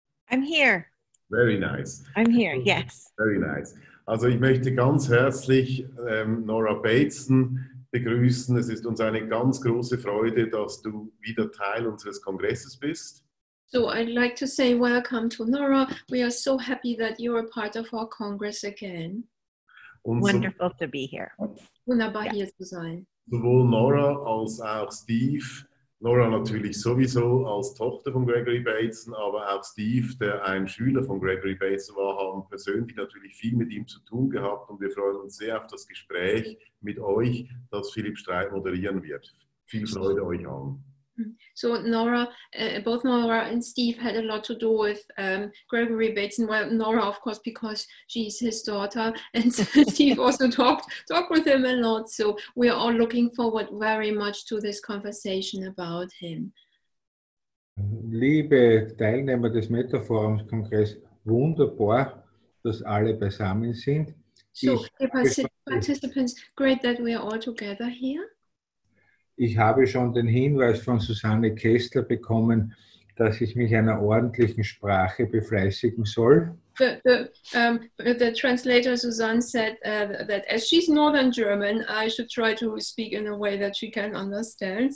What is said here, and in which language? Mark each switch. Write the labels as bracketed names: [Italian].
[English] I'm here. Very nice. I'm here, yes. Very nice. [German] Also ich möchte ganz herzlich Nora Bateson begrüßen. Es ist uns eine ganz große Freude, dass du wieder Teil unseres Kongresses bist. [English] So I'd like to say welcome to Nora. We are so happy that you are part of our Congress again. Und wonderful to be here. [German] Wunderbar, yeah, hier zu sein. Sowohl Nora als auch Steve. Nora natürlich sowieso als Tochter von Gregory Bateson, aber auch Steve, der ein Schüler von Gregory Bateson war, haben persönlich natürlich viel mit ihm zu tun gehabt und wir freuen uns sehr auf das Gespräch mit euch, das Philipp Streit moderieren wird. Viel Freude euch allen. [English] So Nora, both Nora and Steve had a lot to do with Gregory Bateson. Well, Nora, of course, because she's his daughter, and Steve also talked with him a lot. So we are all looking forward very much to this conversation about him. [German] Liebe Teilnehmer des Metaforum-Kongress, wunderbar, dass alle beisammen sind. [English] So, participants, great that we are all together here. [German] Ich habe schon den Hinweis von Susanne Kessler bekommen, dass ich mich einer ordentlichen Sprache befleißigen soll. [English] The translator Susanne said that as she's Northern German, I should try to speak in a way that she can understand.